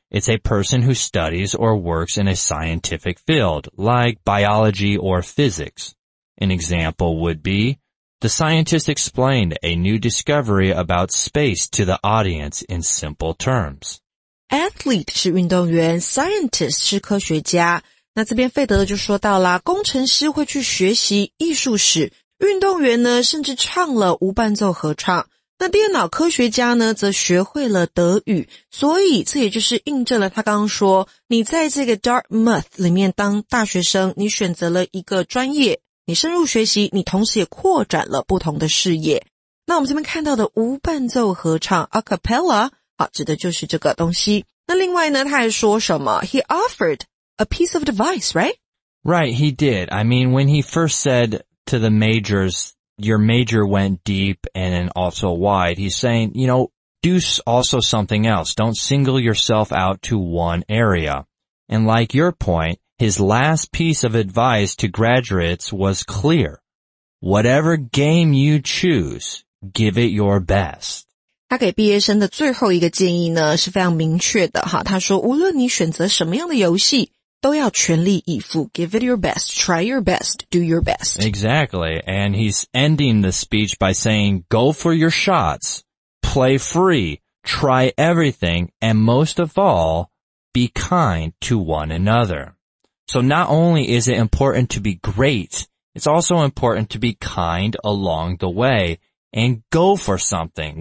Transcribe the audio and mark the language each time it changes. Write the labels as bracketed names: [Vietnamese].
[English] It's a person who studies or works in a scientific field, like biology or physics. An example would be, the scientist explained a new discovery about space to the audience in simple terms. [Chinese] Athlete 是运动员 ,scientist 是科学家。那这边费德勒就说到啦，工程师会去学习艺术史，运动员呢甚至唱了无伴奏合唱，那电脑科学家呢则学会了德语，所以这也就是印证了他刚刚说，你在这个 Dartmouth 里面当大学生，你选择了一个专业，你深入学习，你同时也扩展了不同的视野。那我们这边看到的无伴奏合唱 a cappella， 好，指的就是这个东西。那另外呢，他还说什么 [English] ？He offered a piece of advice, right? Right, he did. I mean, when he first said to the majors, your major went deep and then also wide, he's saying, you know, do also something else. Don't single yourself out to one area. And like your point,His last piece of advice to graduates was clear. Whatever game you choose, give it your best. [Chinese] 他给毕业生的最后一个建议呢，是非常明确的哈。他说，无论你选择什么样的游戏，都要全力以赴。 [English] Give it your best. Try your best. Do your best. Exactly. And he's ending the speech by saying, go for your shots. Play free. Try everything. And most of all, be kind to one another. So not only is it important to be great, it's also important to be kind along the way and go for something.